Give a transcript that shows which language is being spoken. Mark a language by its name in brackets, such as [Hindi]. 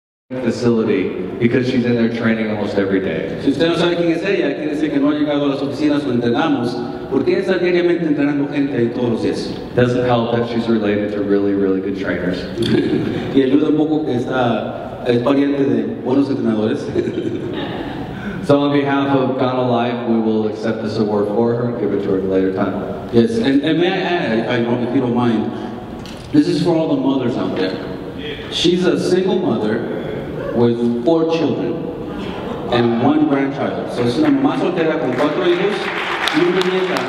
[English] facility because she's in there training almost every day. [Spanish] Si usted no sabe quién es ella, quiere decir que no ha llegado a las oficinas o entrenamos, porque está diariamente entrenando gente ahí todos los días. [English] Doesn't help that she's related to really, really good trainers. [Spanish] Y ayuda un poco que está es pariente de buenos entrenadores. [English] So on behalf of Ganolife, we will accept this award for her and give it to her at a later time. Yes, and may I add, if you don't mind, this is for all the mothers out there. She's a single mother with four children and one grandchild. So she's a [Spanish] mamá soltera con cuatro hijos y una nieta.